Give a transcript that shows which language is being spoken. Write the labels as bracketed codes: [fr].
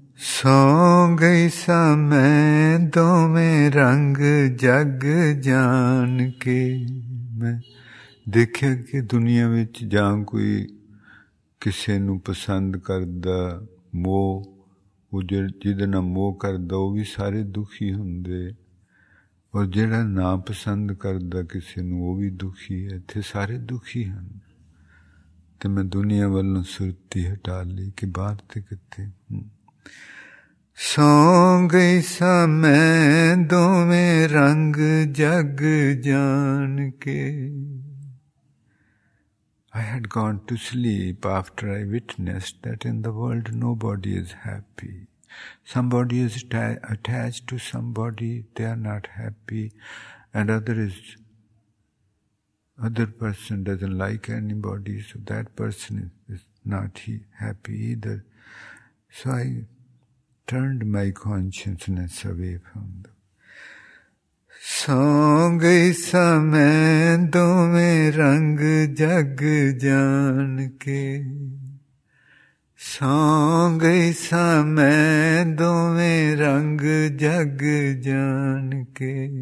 [pa] ਸੌ ਗਈ ਸਾਂ ਮੈਂ ਦੋਵੇਂ ਰੰਗ ਜਗ ਜਾਣ ਕੇ, ਮੈਂ ਦੇਖਿਆ ਕਿ ਦੁਨੀਆਂ ਵਿੱਚ ਜਾਂ ਕੋਈ ਕਿਸੇ ਨੂੰ ਪਸੰਦ ਕਰਦਾ ਮੋਹ, ਉਹ ਜਿਹਦੇ ਨਾਲ ਮੋਹ ਕਰਦਾ ਉਹ ਵੀ ਸਾਰੇ ਦੁਖੀ ਹੁੰਦੇ, ਔਰ ਜਿਹੜਾ ਨਾ ਪਸੰਦ ਕਰਦਾ ਕਿਸੇ ਨੂੰ ਉਹ ਵੀ ਦੁਖੀ ਹੈ, ਇੱਥੇ ਸਾਰੇ ਦੁਖੀ ਹਨ। ਅਤੇ ਮੈਂ ਦੁਨੀਆਂ ਵੱਲੋਂ ਸੁਰਤੀ ਹਟਾ ਲਈ ਕਿ ਬਾਹਰ ਤਾਂ ਕਿੱਥੇ। ਸੌ ਗਈ ਸਾਂ ਮੈਂ ਦੋਵੇਂ ਰੰਗ ਜਗ ਜਾਣ ਕੇ, [en] I had gone to sleep after I witnessed that in the world nobody is happy. Somebody is attached to somebody, they are not happy, and other person doesn't like anybody, so that person is not happy either. So I turned my consciousness away from them. [pa] ਸੌ ਗਈ ਸਾਂ ਮੈਂ ਦੋਵੇਂ ਰੰਗ ਜਗ ਜਾਣ ਕੇ, ਸੌ ਗਈ ਸਾਂ ਮੈਂ ਦੋਵੇਂ ਰੰਗ ਜਗ ਜਾਣ ਕੇ।